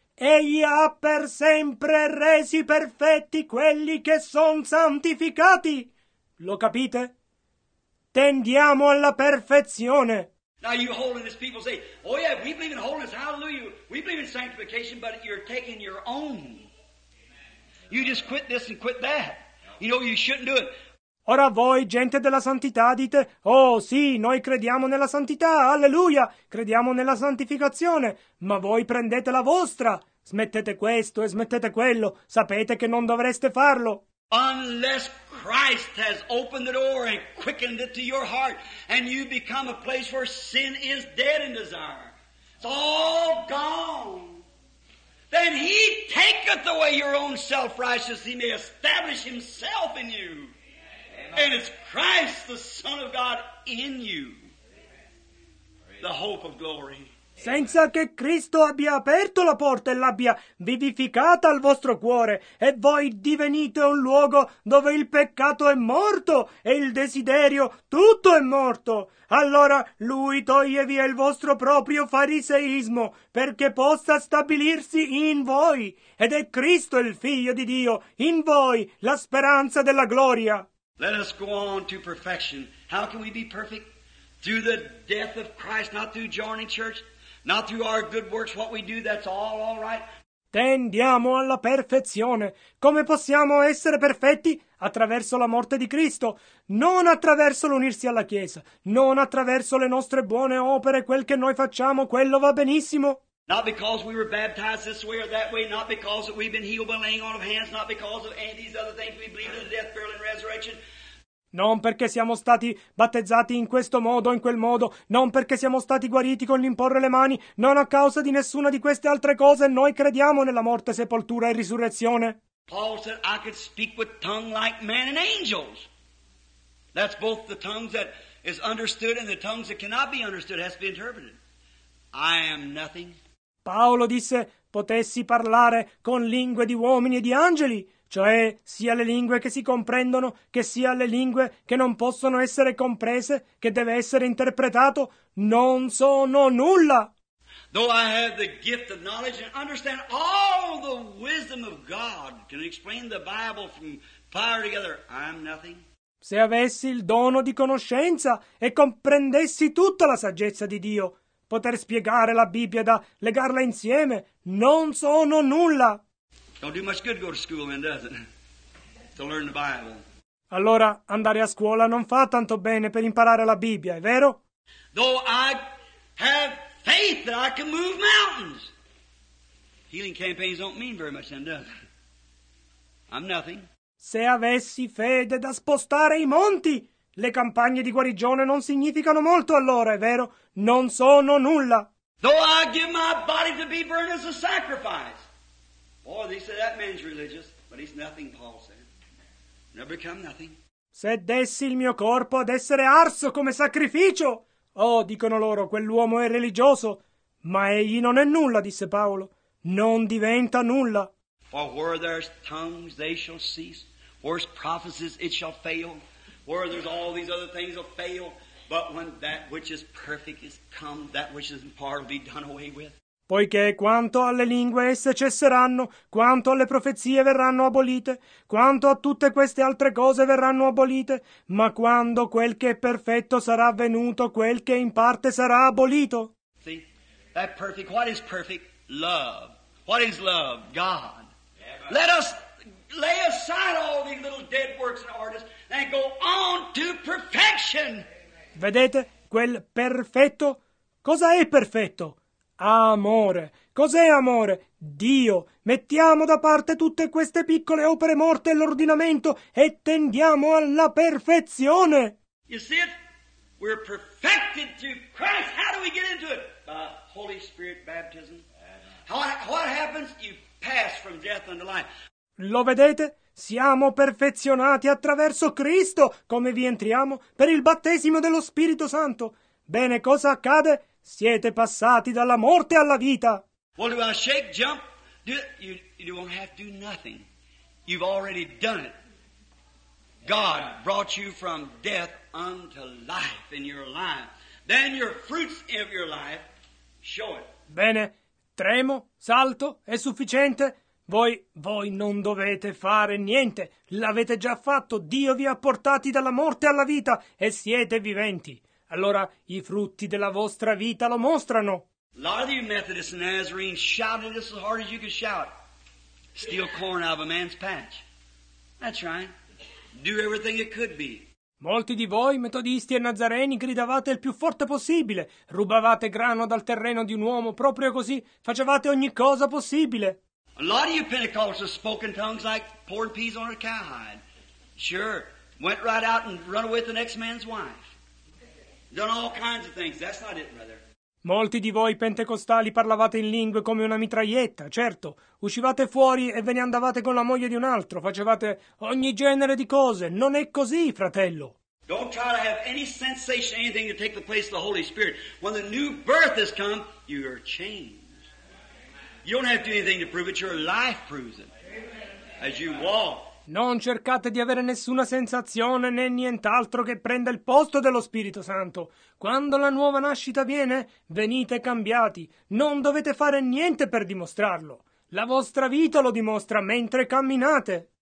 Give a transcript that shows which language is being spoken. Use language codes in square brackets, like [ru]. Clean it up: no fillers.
[it] Egli ha per sempre resi perfetti quelli che sono santificati. Lo capite? Tendiamo alla perfezione. [en] Now you holiness people say, oh yeah, we believe in holiness, hallelujah. We believe in sanctification, but you're taking your own. You just quit this and quit that. You know, you shouldn't do it. [it] Ora voi, gente della santità, dite, oh sì, noi crediamo nella santità, alleluia, crediamo nella santificazione, ma voi prendete la vostra. Smettete questo e smettete quello, sapete che non dovreste farlo. [en] Unless Christ has opened the door and quickened it to your heart and you become a place where sin is dead in desire. It's all gone. Then he taketh away your own self-righteousness, he may establish himself in you. And it's Christ, the Son of God, in you. The hope of glory. [it] Senza che Cristo abbia aperto la porta e l'abbia vivificata al vostro cuore, e voi divenite un luogo dove il peccato è morto e il desiderio, tutto è morto, allora Lui toglie via il vostro proprio fariseismo perché possa stabilirsi in voi. Ed è Cristo il Figlio di Dio, in voi, la speranza della gloria. [en] Let us go on to perfection. How can we be perfect? Through the death of Christ, not through joining church, not through our good works, what we do, that's all right. [it] Tendiamo alla perfezione. Come possiamo essere perfetti? Attraverso la morte di Cristo. Non attraverso l'unirsi alla Chiesa. Non attraverso le nostre buone opere, quel che noi facciamo, quello va benissimo. [en] Not because we were baptized this way or that way, not because we've been healed by laying on of hands, not because of any of these other things, we believe in the death, burial, and resurrection. [it] Non perché siamo stati battezzati in questo modo o in quel modo, non perché siamo stati guariti con l'imporre le mani, non a causa di nessuna di queste altre cose, noi crediamo nella morte, sepoltura e risurrezione. [en] Paul said, I could speak with tongue like man and angels. That's both the tongues that is understood and the tongues that cannot be understood, has to be interpreted. I am nothing. [it] Paolo disse, potessi parlare con lingue di uomini e di angeli, cioè sia le lingue che si comprendono che sia le lingue che non possono essere comprese, che deve essere interpretato, non sono nulla. [en] Though I have the gift of knowledge and understand all the wisdom of God, can explain the Bible from fire together, I'm nothing. [it] Se avessi il dono di conoscenza e comprendessi tutta la saggezza di Dio, poter spiegare la Bibbia da legarla insieme, non sono nulla. [en] Don't do much good go to school then, does it? To learn the Bible. [it] Allora, andare a scuola non fa tanto bene per imparare la Bibbia, è vero? [en] Though I have faith that I can move mountains. Healing campaigns don't mean very much then, does it? I'm nothing. [it] Se avessi fede da spostare i monti, le campagne di guarigione non significano molto allora, è vero? Non sono nulla. [en] Though I give my body to be burned as a sacrifice. Boy, they say that man's religious, but he's nothing, Paul said. Never become nothing. [it] Se dessi il mio corpo ad essere arso come sacrificio. Oh, dicono loro, quell'uomo è religioso, ma egli non è nulla, disse Paolo. Non diventa nulla. [en] For where there's tongues, they shall cease. Where's prophecies, it shall fail. Where there's all these other things, will fail. But when that which is perfect is come, that which is in part will be done away with. [it] Poiché quanto alle lingue esse cesseranno, quanto alle profezie verranno abolite, quanto a tutte queste altre cose verranno abolite, ma quando quel che è perfetto sarà avvenuto, quel che in parte sarà abolito. [en] See, that perfect, what is perfect? Love. What is love? God. Let us lay aside all these little dead works and artists and go on to perfection. [it] Vedete quel perfetto? Cosa è perfetto? Amore. Cos'è amore? Dio. Mettiamo da parte tutte queste piccole opere morte e l'ordinamento e tendiamo alla perfezione. [en] You see it? We're perfected through Christ. How do we get into it? By Holy Spirit baptism. What happens? You pass from death unto life. [it] Lo vedete? Siamo perfezionati attraverso Cristo, come vi entriamo per il battesimo dello Spirito Santo. Bene, cosa accade? Siete passati dalla morte alla vita. [en] Well, do I shake, jump? You won't have to do nothing. You've already done it. God brought you from death unto life in your life. Then your fruits of your life show it. [it] Bene. Tremo, salto, è sufficiente? Voi non dovete fare niente. L'avete già fatto. Dio vi ha portati dalla morte alla vita e siete viventi. Allora i frutti della vostra vita lo mostrano. [en] A lot of you Methodists and Nazarenes shouted this as hard as you can shout. Steal corn out of a man's patch. That's right. Do everything it could be. [it] Molti di voi, metodisti e nazareni, gridavate il più forte possibile, rubavate grano dal terreno di un uomo, proprio così, facevate ogni cosa possibile. [en] A lot of you Pentecostals spoke in tongues like pouring peas on a cowhide. Sure, went right out and run away with the next man's wife. Done all kinds of things, that's not it, brother. [it] Molti di voi pentecostali parlavate in lingue come una mitraglietta, certo. Uscivate fuori e ve ne andavate con la moglie di un altro. Facevate ogni genere di cose. Non è così, fratello. [en] Don't try to have any sensation, anything to take the place of the Holy Spirit. When the new birth has come, you are changed. You don't have to do anything to prove it. Your life proves it. As you walk. [it] Non cercate di avere nessuna sensazione né nient'altro che prenda il posto dello Spirito Santo. Quando la nuova nascita viene, venite cambiati. Non dovete fare niente per dimostrarlo. La vostra vita lo dimostra mentre camminate.